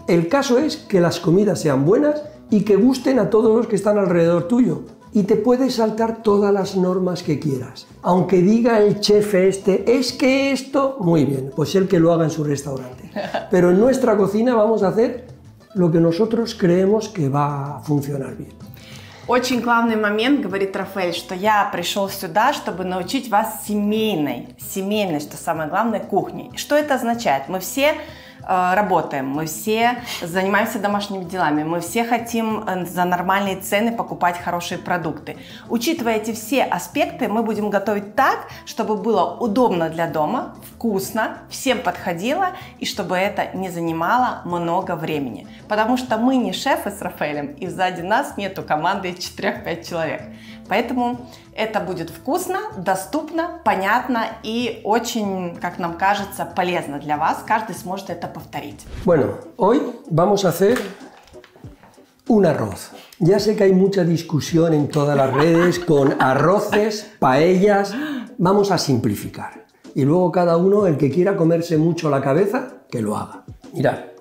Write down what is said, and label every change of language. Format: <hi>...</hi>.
<es>El caso es que las comidas sean buenas y que gusten a todos los que están alrededor tuyo. Y te puedes saltar todas las normas que quieras. Aunque diga el chef este, es que esto, muy bien, pues el que lo haga en su restaurante. Pero en nuestra cocina vamos a hacer lo que nosotros creemos que va a funcionar bien.</es> <ru>Очень главный момент, говорит Рафаэль, что я пришел сюда, чтобы научить вас семейной, что самое главное, кухне. Что это означает? Мы все работаем, мы все занимаемся домашними делами, мы все хотим за нормальные цены покупать хорошие продукты. Учитывая эти все аспекты, мы будем готовить так, чтобы было удобно для дома, вкусно, всем подходило и чтобы это не занимало много времени. Потому что мы не шефы с Рафаэлем и сзади нас нету команды 4-5 человек. Поэтому это будет вкусно, доступно, понятно и очень, как нам кажется, полезно для вас. Каждый сможет это повторить.</ru> <es>Bueno, hoy vamos a hacer un arroz. Ya sé que hay mucha discusión en todas las redes con arroces, paellas. Vamos a simplificar. Y luego cada uno, el que quiera comerse mucho la cabeza, que lo haga. Mirad.</es>